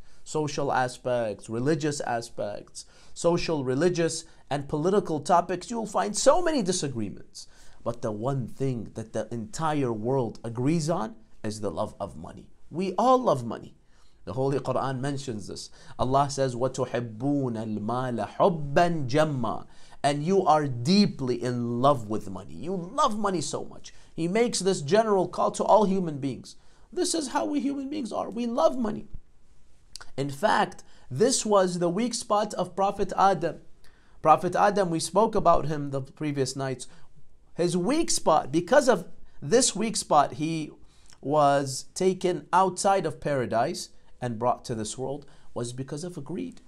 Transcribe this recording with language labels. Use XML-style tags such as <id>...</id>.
<en>Social aspects, religious aspects, social, religious, and political topics, you'll find so many disagreements. But the one thing that the entire world agrees on is the love of money. We all love money. The Holy Quran mentions this. Allah says,</en> <ar>وَتُحِبُّونَ الْمَالَ حُبًّا جَمَّا.</ar> <en>And you are deeply in love with money. You love money so much. He makes this general call to all human beings. This is how we human beings are. We love money. In fact, this was the weak spot of Prophet Adam. Prophet Adam, we spoke about him the previous nights. His weak spot, because of this weak spot, he was taken outside of paradise and brought to this world, was because of greed.</en>